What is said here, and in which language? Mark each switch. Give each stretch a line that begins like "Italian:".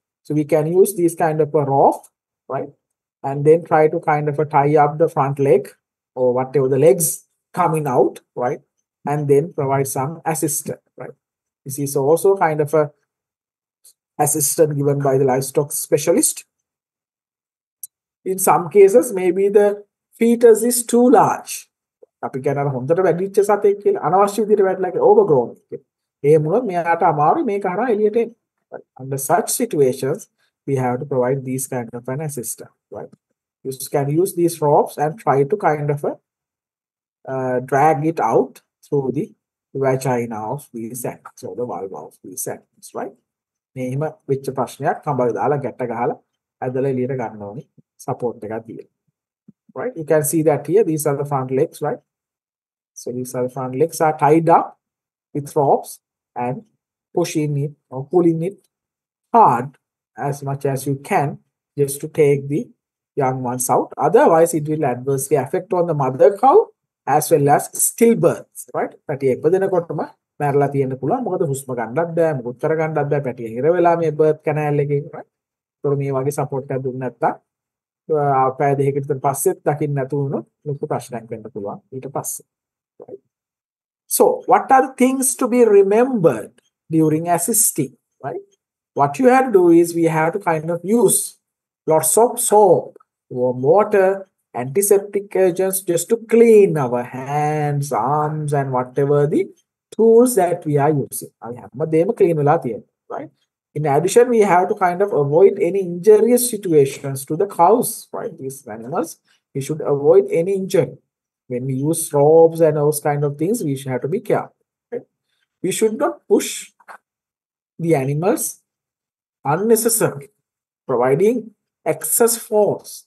English: So we can use these kind of a rope, right? And then try to kind of a tie up the front leg or whatever the legs coming out, right? And then provide some assistance, right? This is also kind of a assistance given by the livestock specialist. In some cases, maybe the fetus is too large.
Sinhala: අපි කියනවා හොඳට වැඩිච්ච සතෙක් කියලා අනවශ්‍ය විදිහට වැඩිලා කියලා ඕවර්ග්‍රෝන් කියලා. එහෙම වුණොත් මෙයාට අමාරුයි මේක හරහා එළියට එන්න.
English: Under such situations we have to provide these kind of an assistance, right? You can use these ropes and try to kind of drag it out through the vagina of these animals, or the vulva of these animals, right?
Sinhala: මේම වෙච්ච ප්‍රශ්නයක් කඹල් දාලා ගැට ගහලා ඇදලා එළියට ගන්න ඕනේ සපෝට් එකක් දීලා.
English: Right, you can see that here. These are the front legs, right? So these are the front legs are tied up with ropes and pushing it or pulling it hard as much as you can just to take the young ones out. Otherwise, it will adversely affect on the mother cow as well as stillbirth, right?
Sinhala: පැටිය ඉපදෙනකොටම මැරලා තියෙන්න පුළුවන්. මොකද හුස්ම ගන්නවත් බෑ, මොකුත් කර ගන්නවත් බෑ පැටිය හිර වෙලා මේ birth canal එකේ, right? තොර මේ වගේ support එකක් දුන්න නැත්තම් පෑ දෙකකට පස්සෙත් දකින්න නැතු වුණොත් ලොකු ප්‍රශ්නයක් වෙන්න පුළුවන් ඊට පස්සේ.
English: So what are the things to be remembered during assisting, right? What you have to do is we have to kind of use lots of soap, warm water, antiseptic agents just to clean our hands, arms and whatever the tools that we are using.
Sinhala: අපි හැමදේම clean වෙලා තියෙනවා, right?
English: In addition, we have to kind of avoid any injurious situations to the cows, right? These animals, we should avoid any injury. when we use ropes and those kind of things, we should have to be careful. We should not push the animals unnecessarily, providing excess force.